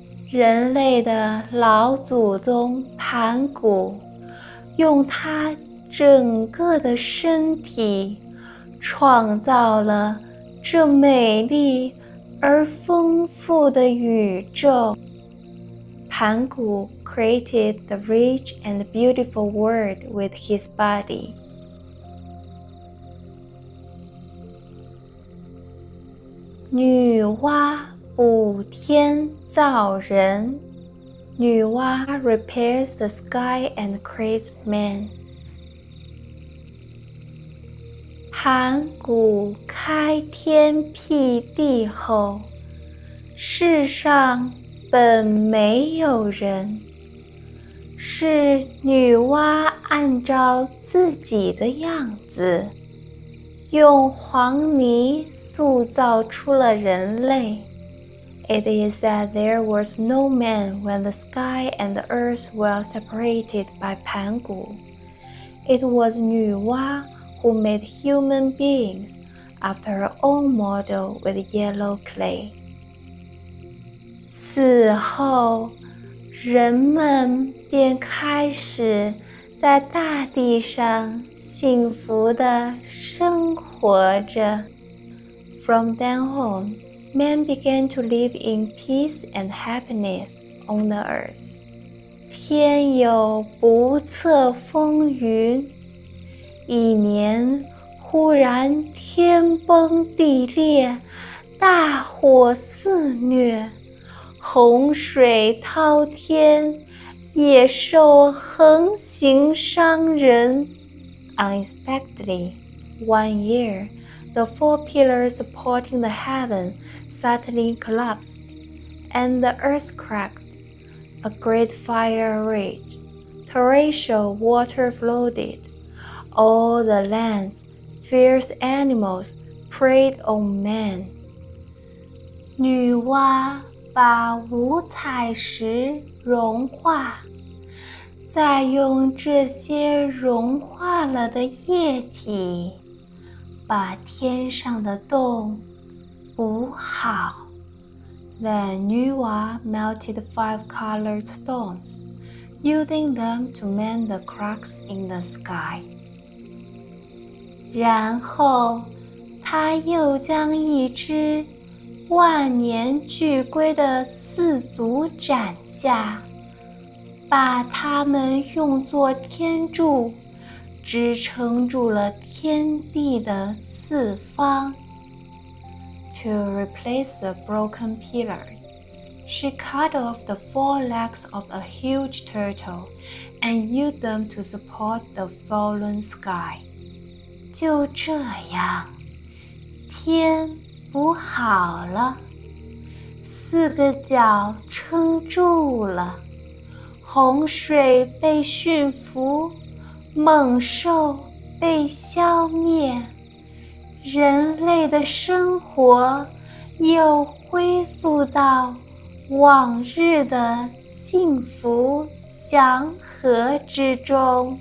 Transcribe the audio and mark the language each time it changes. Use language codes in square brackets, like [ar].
[zh] 人类的老祖宗盘古用他整个的身体创造了这美丽而丰富的宇宙。 [en] 盘古 created the rich and beautiful world with his body. [zh] 女娲补天造人。 [en] 女娲 repairs the sky and creates man. [zh] 盘古开天辟地后，世上本没有人，是女娲按照自己的样子，用黄泥塑造出了人类。 [en] It is that there was no man when the sky and the earth were separated by Pángǔ. It was 女娲 who made human beings after her own model with yellow clay. [zh] 此后人们便开始在大地上幸福地生活着。 [en] From then on, men began to live in peace and happiness on the earth. [zh] 天有不测风云，一年忽然天崩地裂，大火肆虐。洪水滔天，野兽横行伤人。 [en] Unexpectedly, one year, the four pillars supporting the heaven suddenly collapsed, and the earth cracked. A great fire raged. Torrential water flooded. All the lands, fierce animals, preyed on men. [zh] 女娲把五彩石融化，再用这些融化了的液体把天上的洞补好。 [en] Then NÜwa melted five colored stones, using them to mend the cracks in the sky. [zh] 然后他又将一只万年巨龟的四足斩下，把它们用作天柱，支撑住了天地的四方。 [en] To replace the broken pillars, she cut off the four legs of a huge turtle and used them to support the fallen sky. [zh] 就这样，天补好了，四个角撑住了，洪水被驯服，猛兽被消灭，人类的生活又恢复到往日的幸福祥和之中。